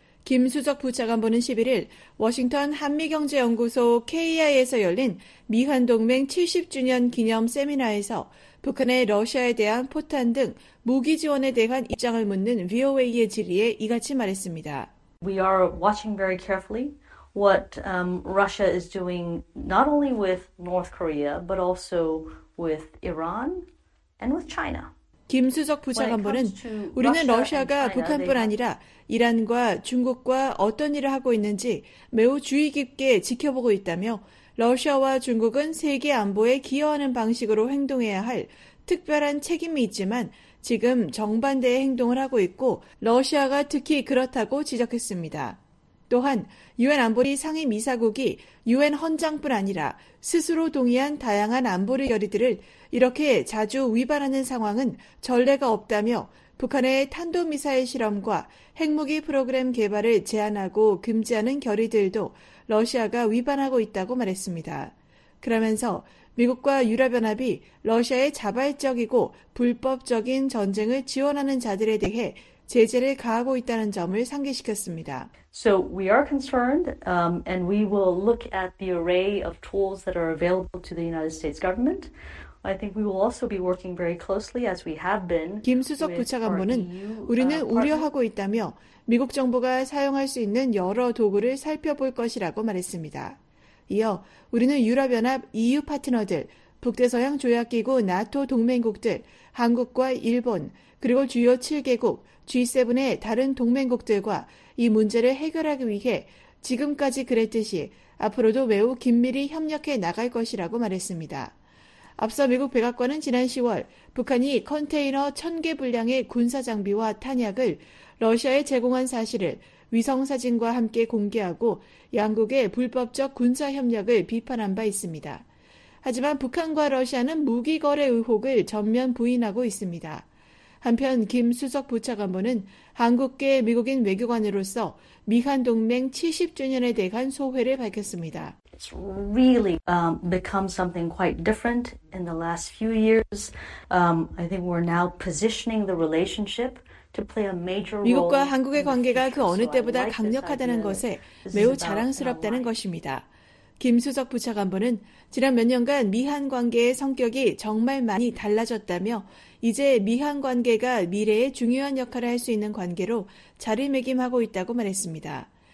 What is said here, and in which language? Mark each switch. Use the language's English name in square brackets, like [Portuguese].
[Korean] 김 수석 부차관보는 11일 워싱턴 한미경제연구소 KI에서 열린 미한동맹 70주년 기념 세미나에서 북한의 러시아에 대한 포탄 등 무기 지원에 대한 입장을 묻는 VOA의 질의에 이같이 말했습니다. [English] We are watching very carefully. What Russia is doing not only with North Korea but also with Iran and with China. [Korean] 김수석 부차관보는 우리는 러시아가 북한뿐 아니라 이란과 중국과 어떤 일을 하고 있는지 매우 주의 깊게 지켜보고 있다며 러시아와 중국은 세계 안보에 기여하는 방식으로 행동해야 할 특별한 책임이 있지만 지금 정반대의 행동을 하고 있고 러시아가 특히 그렇다고 지적했습니다. 또한 유엔 안보리 상임이사국이 유엔 헌장뿐 아니라 스스로 동의한 다양한 안보리 결의들을 이렇게 자주 위반하는 상황은 전례가 없다며 북한의 탄도미사일 실험과 핵무기 프로그램 개발을 제한하고 금지하는 결의들도 러시아가 위반하고 있다고 말했습니다. 그러면서 미국과 유럽연합이 러시아의 자발적이고 불법적인 전쟁을 지원하는 자들에 대해 제재를 가하고 있다는 점을 상기시켰습니다. [English] So we are concerned and we will look at the array of tools that are available to the United States government. I think we will also be working very closely as we have been. [Korean] 김수석 부차관보는 우리는 우려하고 있다며 미국 정부가 사용할 수 있는 여러 도구를 살펴볼 것이라고 말했습니다. 이어 우리는 유럽연합 EU 파트너들, 북대서양 조약기구 나토 동맹국들, 한국과 일본, 그리고 주요 7개국, G7의 다른 동맹국들과 이 문제를 해결하기 위해 지금까지 그랬듯이 앞으로도 매우 긴밀히 협력해 나갈 것이라고 말했습니다. 앞서 미국 백악관은 지난 10월 북한이 컨테이너 1,000개 분량의 군사장비와 탄약을 러시아에 제공한 사실을 위성사진과 함께 공개하고 양국의 불법적 군사협력을 비판한 바 있습니다. 하지만 북한과 러시아는 무기거래 의혹을 전면 부인하고 있습니다. 한편 김수석 부차관보는 한국계 미국인 외교관으로서 미한 동맹 70주년에 대한 소회를 밝혔습니다. [English] It's really become something quite different in the last few years. I think we're now positioning the relationship to play a major role. [Korean] 미국과 한국의 관계가 그 어느 때보다 강력하다는 것에 매우 자랑스럽다는 것입니다. 김수석 부차관보는 지난 몇 년간 미한 관계의 성격이 정말 많이 달라졌다며 이제 미한 관계가 미래에 중요한 역할을 할 수 있는 관계로 자리매김하고 있다고 말했습니다.